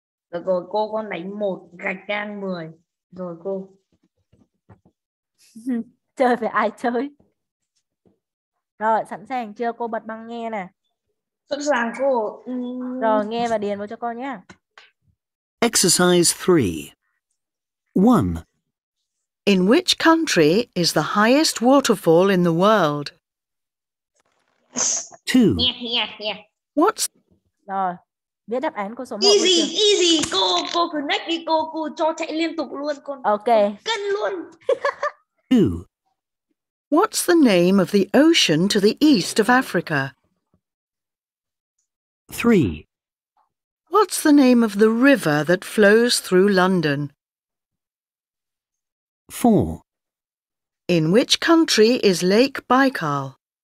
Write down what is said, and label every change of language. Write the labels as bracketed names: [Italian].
[Vietnamese] Được rồi, cô con đánh 1 gạch ngang 10 rồi cô. Chơi phải ai chơi. Rồi, sẵn sàng chưa? Cô bật băng nghe nè. Sẵn sàng cô. Rồi, nghe và điền vào cho con nhé. [English] Exercise 3. 1. In which country is the highest waterfall in the world? 2. What's... [Vietnamese] Rồi, biết đáp án của số 1. Easy, cô cứ nách đi cô cho chạy liên tục luôn con. Ok. Cân luôn. [English] 2. What's the name of the ocean to the east of Africa? 3. What's the name of the river that flows through London? 4. In which country is Lake Baikal?